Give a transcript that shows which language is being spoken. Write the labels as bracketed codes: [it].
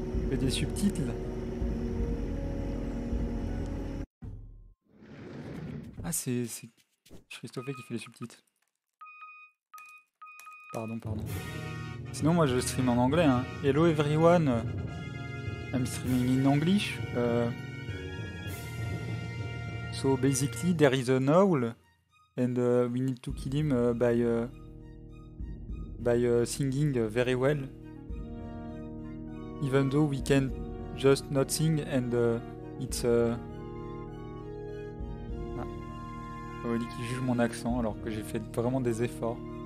[fr] Et des subtitles. Ah, c'est Christophe qui fait les subtitres. Pardon. Sinon, moi, je stream en anglais. [en] Hein. Hello everyone. I'm streaming in English. So basically, there is an owl, and we need to kill him by singing very well. Even though we can just not sing, and it's. Ah. [fr] Oli qui juge mon accent alors que j'ai fait vraiment des efforts.